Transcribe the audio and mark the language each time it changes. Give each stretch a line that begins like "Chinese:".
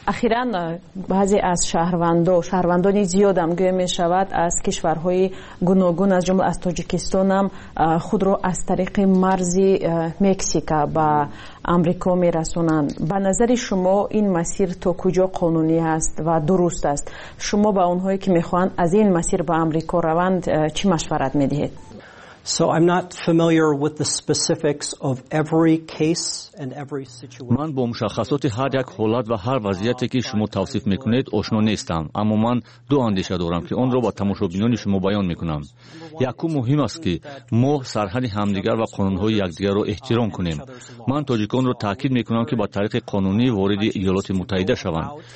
Persian: اخیراً بعضی از شهروندانی زیاد هم گویا میشود از کشورهای گوناگون از جمله از تاجیکستان هم خود را از طریق مرز مکزیکا با آمریکا میرسونند. به نظر شما این مسیر تا کجا قانونی است و درست است؟ شما به اونهایی که میخوان از این مسیر به آمریکا روند چی مشورت میدهید؟
English: So I'm not familiar with the specifics of every case and every situation.
Persian: من با مشخصات هر یک حالت و هر وضعیتی که شما توصیف میکنید آشنا نیستم، اما من دو اندیشه دارم که اون را با تماشابینان شما بیان میکنم. یکی مهم است که ما سرحد همدیگر و قانون های یکدیگر را احترام کنیم. من تاجیکان را تاکید میکنم که با طریق قانونی وارد ایالات متحده شوند.